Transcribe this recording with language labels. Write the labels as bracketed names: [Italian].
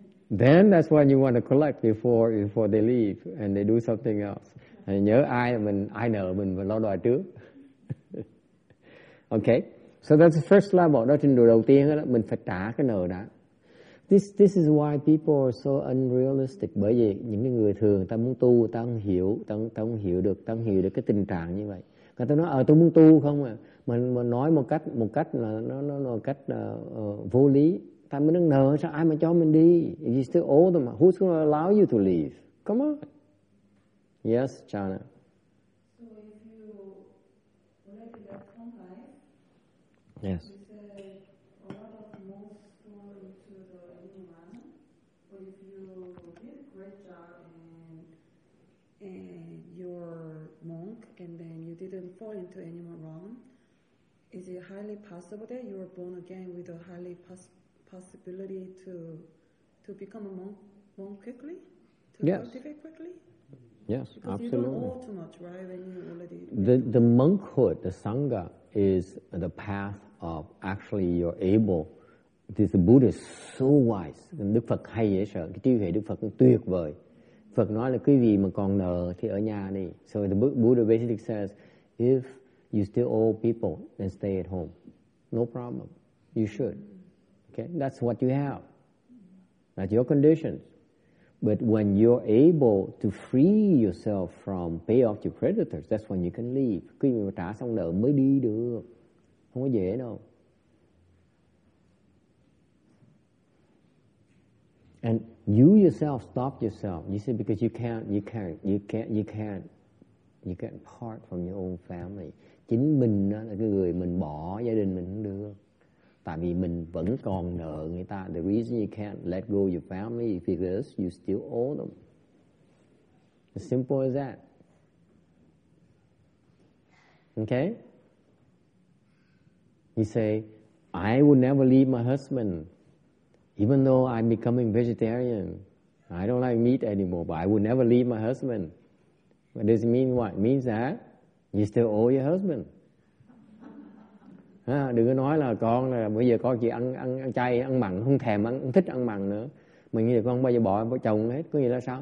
[English] Then that's what you want to collect before they leave and they do something else. [Vietnamese] And nhớ ai nợ mình phải lo đòi trước. [English] Okay, so that's the first level. [Vietnamese] Đó trình độ đầu tiên đó, mình phải trả cái nợ đã. [English] This is why people are so unrealistic. [Vietnamese] Bởi vì những cái người thường ta muốn tu, ta không hiểu được cái tình trạng như vậy. Người ta nói, tôi muốn tu không à? Mình nói một cách vô lý. Tại mình đang nợ, sao ai mà cho mình đi? [English] If you still owe them, who's going to allow you to leave? Come on. Yes, China. Yes. Fall into any more wrong, is it highly possible that you are born again with a highly possibility to become a monk quickly? To yes. Cultivate quickly? Yes, because absolutely. You don't know too much, right? When you already the monkhood, the Sangha, is the path of actually you're able. This Buddha is so wise. [Vietnamese] Đức Phật hay dễ sợ. Cái trí huệ Đức Phật tuyệt vời. Phật nói là quý vị mà còn nợ thì ở nhà đi. [English] So the Buddha basically says, if you still owe people, then stay at home. No problem. You should. Okay, that's what you have. That's your conditions. But when you're able to free yourself from pay off your creditors, that's when you can leave. [Vietnamese] Khi mà trả xong nợ mới đi được. Không có dễ đâu. [English] And you yourself stop yourself. You see, because you can't part from your own family. [Vietnamese] Chính mình đó là cái người mình bỏ gia đình mình không được. Tại vì mình vẫn còn nợ người ta. [English] The reason you can't let go your family is because you still owe them. As simple as that. Okay? You say, I will never leave my husband. Even though I'm becoming vegetarian, I don't like meat anymore, but I will never leave my husband. But does it mean what? It means that you still owe your husband. [Vietnamese] À, đừng có nói là con là bây giờ con chỉ ăn chay, ăn mặn, không thèm ăn, không thích ăn mặn nữa. Mình nghĩ là con bao giờ bỏ chồng hết, có nghĩa là sao?